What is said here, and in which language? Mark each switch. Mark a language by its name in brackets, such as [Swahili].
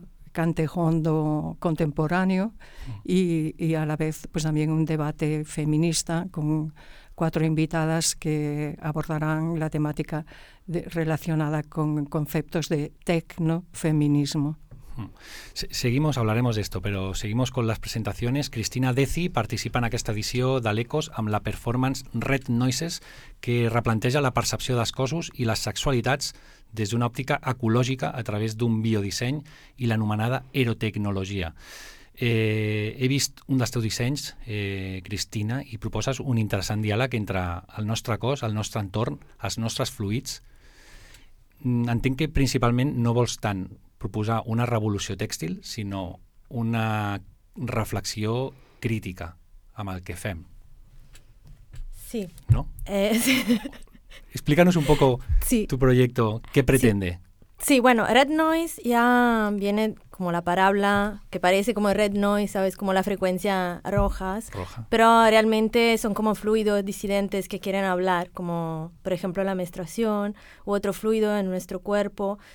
[Spanish] cantejondo contemporáneo, y a la vez pues también un debate feminista con cuatro invitadas que abordarán la temática relacionada con conceptos de tecnofeminismo. Seguimos, hablaremos de esto, pero seguimos con las presentaciones. [Catalan] Cristina Deci participa en aquesta edició de l'Ecos amb la performance Red Noises, que replanteja la percepció dels cossos i les sexualitats des d'una òptica ecològica a través d'un biodisseny i l'anomenada erotecnologia. He vist un dels teus dissenys, Cristina, i proposes un interessant diàleg entre el nostre cos, el nostre entorn, els nostres fluids. Entenc que principalment no vols tant proposar una revolució tèxtil, sinó una reflexió crítica amb el que fem. Sí. [Spanish] No? Sí. Explícanos un poco sí. Tu proyecto, ¿qué pretende? Sí. Sí, bueno, Red Noise ya viene como la palabra que parece como Red Noise, ¿sabes? Como la frecuencia rojas. Roja. Pero realmente son como fluidos disidentes que quieren hablar, como por ejemplo la menstruación u otro fluido en nuestro cuerpo.